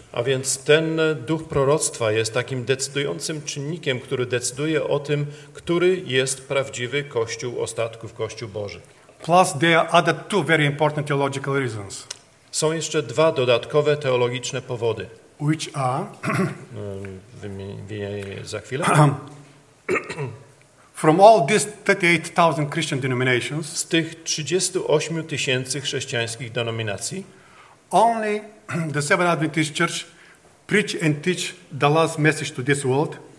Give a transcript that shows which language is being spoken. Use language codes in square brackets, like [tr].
[pl] A więc ten duch proroctwa jest takim decydującym czynnikiem, który decyduje o tym, który jest prawdziwy kościół ostatków, kościół Boży. [en] Plus there are other two very important theological reasons. [pl] Są jeszcze dwa dodatkowe teologiczne powody. [en] Which are? [pl] Wymienię je za chwilę. [en] From all these 38,000 Christian denominations, [pl] z tych 38 tysięcy chrześcijańskich denominacji, [en] only the Seventh Adventist Church preach and teach the last message to this world.